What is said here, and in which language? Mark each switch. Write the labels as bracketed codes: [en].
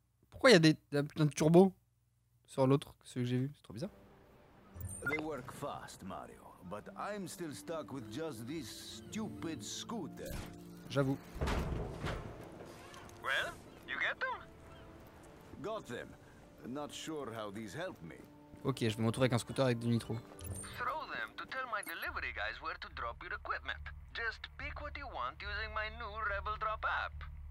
[fr] Pourquoi il y a des putains de turbo sur l'autre, celui que j'ai vu? C'est trop bizarre. [en] They work fast, Mario. But I'm still stuck with just this stupid scooter. [fr] J'avoue. [en] Well, you get them? Got them. Not sure how these help me. [fr] Ok, je vais me retrouver avec un scooter avec du nitro. [en] Throw them to tell my delivery guys where to drop your equipment. Just pick what you want using my new Rebel Drop app.